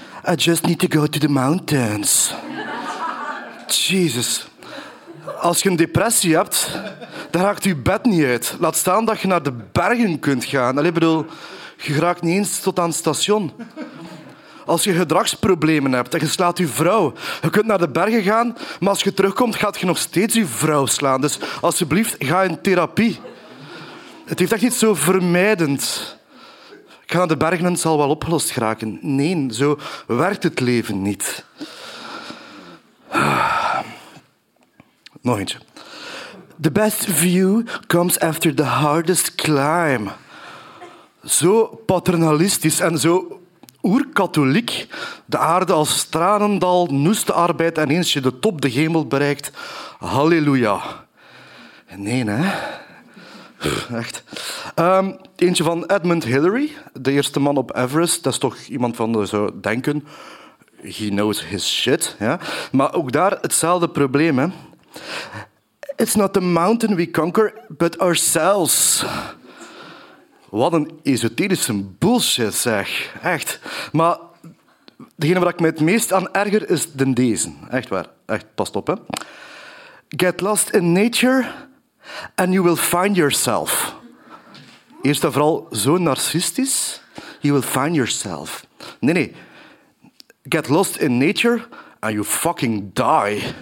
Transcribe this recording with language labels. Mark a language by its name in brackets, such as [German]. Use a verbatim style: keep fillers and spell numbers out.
[English] I just need to go to the mountains. [Dutch] Jezus. Als je een depressie hebt, dan raakt je bed niet uit. Laat staan dat je naar de bergen kunt gaan. Allee, bedoel, je raakt niet eens tot aan het station. Als je gedragsproblemen hebt en je slaat je vrouw, je kunt naar de bergen gaan, maar als je terugkomt, gaat je nog steeds je vrouw slaan. Dus alsjeblieft, ga in therapie. Het heeft echt iets zo vermijdend. Ik ga naar de bergen en het zal wel opgelost geraken. Nee, zo werkt het leven niet. Nog eentje. [English] The best view comes after the hardest climb. [Dutch] Zo paternalistisch en zo... oerkatholiek, de aarde als tranendal, noeste arbeid en eens je de top, de hemel bereikt, halleluja. Nee, hè? Echt. Um, eentje van Edmund Hillary, de eerste man op Everest. Dat is toch iemand van de zo denken. [English] He knows his shit. [Dutch] Ja? Maar ook daar hetzelfde probleem, hè? [English] It's not the mountain we conquer, but ourselves. [Dutch] Wat een esoterische bullshit, zeg. Echt. Maar degene waar ik me het meest aan erger is dan deze. Echt waar. Echt, pas op, hè. [English] Get lost in nature and you will find yourself. [Dutch] Eerst en vooral zo narcistisch. [English] You will find yourself. [Dutch] Nee, nee. [English] Get lost in nature and you fucking die.